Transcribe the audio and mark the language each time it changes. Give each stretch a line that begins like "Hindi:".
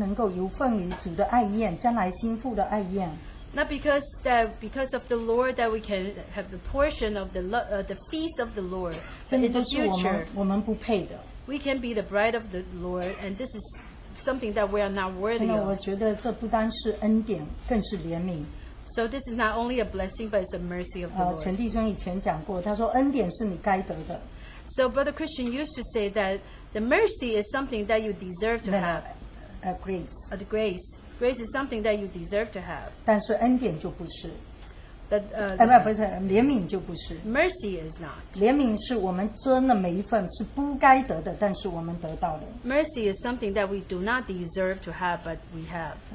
Chinese: 真的我们不单能够因着主我们能够有份于主的爱宴将来心腹的爱宴
English: not because that because of the Lord that we can have the portion of the feast of the Lord, but in the future
Chinese: 我们不配的
English: we can be the bride of the Lord, and this is something that we are not worthy of.
Chinese: 真的我觉得这不单是恩典 更是怜悯。
English: So this is not only a blessing, but it's a mercy of the Lord.
Chinese: 陈弟兄以前讲过, 他说, 恩典是你该得的。
English: So Brother Christian used to say that the mercy is something that you deserve to have. Grace. Grace. Grace is something that you deserve to have.
Chinese: 但是恩典就不是。不是,怜悯就不是。
English: Mercy is not.
Chinese: 怜悯是我们真的每一份是不该得的, 但是我们得到的。
English: Mercy is something that we do not deserve to have, but we have.